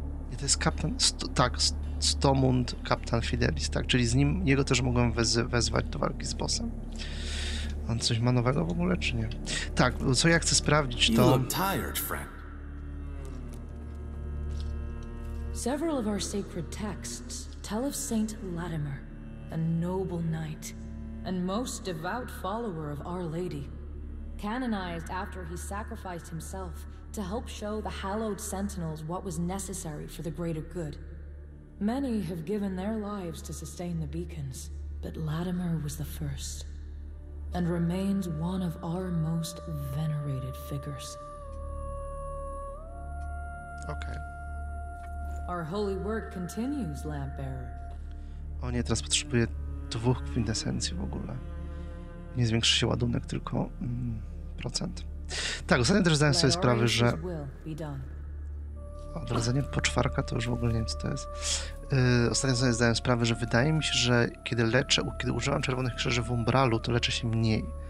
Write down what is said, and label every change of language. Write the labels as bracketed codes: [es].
[pl] Nie, to jest kapitan... Stomund, kapitan Fidelis, tak? Czyli z nim, jego też mogłem wezwać do walki z bossem. On coś ma nowego w ogóle, czy nie? Tak, co ja chcę sprawdzić, to... [en] Several of our sacred texts tell of Saint Latimer, a noble knight, and most devout follower of Our Lady, canonized after he sacrificed himself to help show the hallowed sentinels what was necessary for the greater good. Many have given their lives to sustain the beacons, but Latimer was the first, and remains one of our most venerated figures. Okay. Our holy work continues, Lampbearer. [pl] O nie, teraz potrzebuję dwóch kwintesencji w ogóle. Nie zwiększy się ładunek, tylko procent. Tak, ostatnio też zdałem sobie sprawę, że... Odradzenie po czwarka, to już w ogóle nie wiem, co to jest. Ostatnio sobie zdałem sprawę, że wydaje mi się, że kiedy używam czerwonych krzyży w Umbralu, to leczę się mniej.